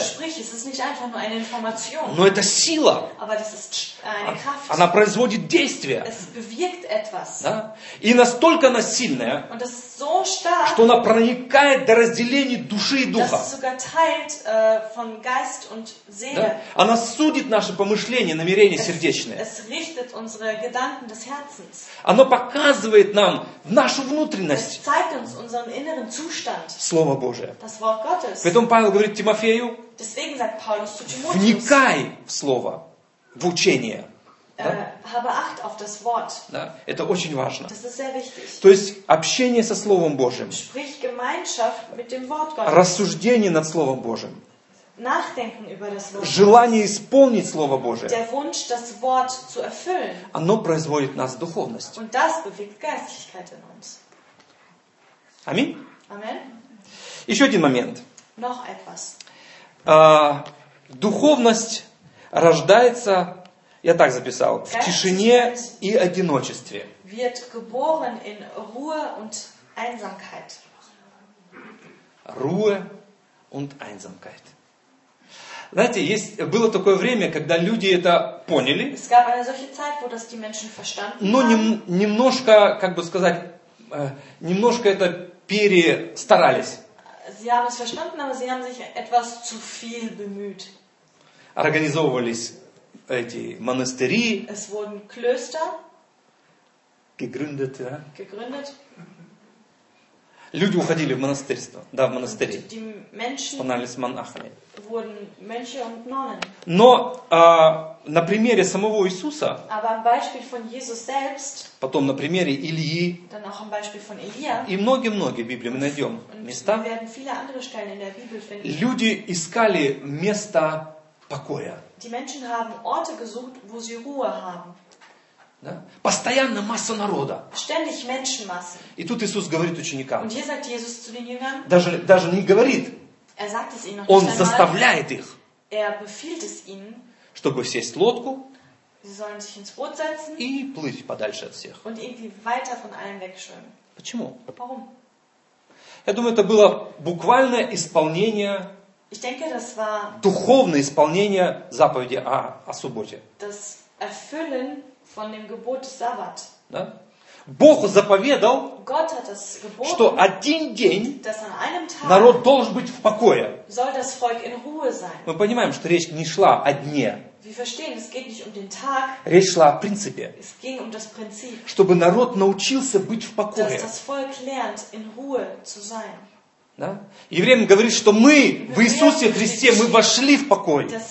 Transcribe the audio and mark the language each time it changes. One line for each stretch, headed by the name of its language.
German: Sprich, es ist nicht einfach nur eine Information.
Russian: Но это сила.
German: Aber das ist eine Kraft.
Russian: Она производит действие.
German: Es bewirkt etwas.
Russian: Да? И настолько она сильная,
German: und das ist so stark,
Russian: что она проникает до разделения души и духа.
German: Dass es sogar teilt, von Geist und Seele.
Russian: Да? Она судит наши помышления, намерения сердечные.
German: Es richtet unsere Gedanken des Herzens.
Russian: Оно показывает нам нашу внутренность.
German: Es zeigt uns unseren inneren Zustand.
Russian: Слово Божие.
German: Das Wort Gottes.
Russian: Поэтому Павел говорит Тимофею,
German: deswegen sagt Paulus zu Timotheus,
Russian: вникай в слово, в учение. Да?
German: Habe acht auf das Wort.
Russian: Да? Это очень важно.
German: Das ist sehr wichtig.
Russian: То есть общение со Словом Божьим.
German: Sprich, Gemeinschaft mit dem Wort Gottes.
Russian: Рассуждение над Словом Божьим.
German: Nachdenken über das Wort.
Russian: Желание исполнить Слово Божие.
German: Der Wunsch, das Wort zu erfüllen.
Russian: Оно производит нас в духовность.
German: Und das bewegt Geistlichkeit in uns.
Russian: Аминь.
German: Amen.
Russian: Еще один момент.
German: Noch etwas.
Russian: Духовность рождается, я так записал, в тишине и одиночестве.
German: Wird geboren in Ruhe und Einsamkeit. Ruhe und Einsamkeit.
Russian: Знаете, есть, было такое время, когда люди это поняли.
German: Es gab eine solche Zeit, wo das die Menschen verstanden haben.
Russian: Но немножко, как бы сказать, немножко это перестарались.
German: Sie haben es verstanden, aber sie haben sich etwas zu viel bemüht.
Russian: Организовывались эти монастыри.
German: Es wurden Klöster. Gegründet, ja. Gegründet.
Russian: Люди уходили в монастырство, да, в монастыри.
German: Und die Menschen
Russian: становились монахами.
German: Wurden Mönche und Nonnen.
Russian: Но на примере самого Иисуса,
German: aber am Beispiel von Jesus selbst,
Russian: потом на примере Ильи,
German: dann auch am Beispiel von Elia,
Russian: и многие-многие в Библии мы найдем места,
German: wir werden viele andere Stellen in der Bibel finden,
Russian: люди искали место покоя.
German: Die Menschen haben Orte gesucht, wo sie Ruhe haben.
Russian: Да? Постоянно масса народа.
German: Ständig Menschenmassen.
Russian: И тут Иисус говорит ученикам.
German: Und hier sagt Jesus zu den Jüngern,
Russian: даже не говорит.
German: Er sagt es ihnen noch
Russian: Он заставляет их.
German: Er befiehlt es ihnen,
Russian: чтобы сесть в лодку.
German: Sie sollen sich ins Boot setzen,
Russian: и плыть подальше от всех.
German: Und irgendwie weiter von allen wegschwimmen.
Russian: Почему?
German: Warum?
Russian: Я думаю, это было буквальное исполнение.
German: Ich denke, das war
Russian: духовное исполнение заповеди о субботе.
German: Das Erfüllen von dem Gebot des Sabbat.
Russian: Да? Бог заповедал,
German: Gott hat das geboten,
Russian: что один день
German: dass an einem Tag
Russian: народ должен быть в покое.
German: Soll das Volk in Ruhe sein.
Russian: Мы понимаем, что речь не шла о дне.
German: Wir verstehen, es geht nicht um den Tag,
Russian: речь шла о принципе.
German: Es ging um das Prinzip,
Russian: чтобы народ научился быть в покое.
German: Dass das Volk lernt, in Ruhe zu sein.
Russian: Да? Евреям говорит, что мы в Иисусе Христе, мы вошли в покой.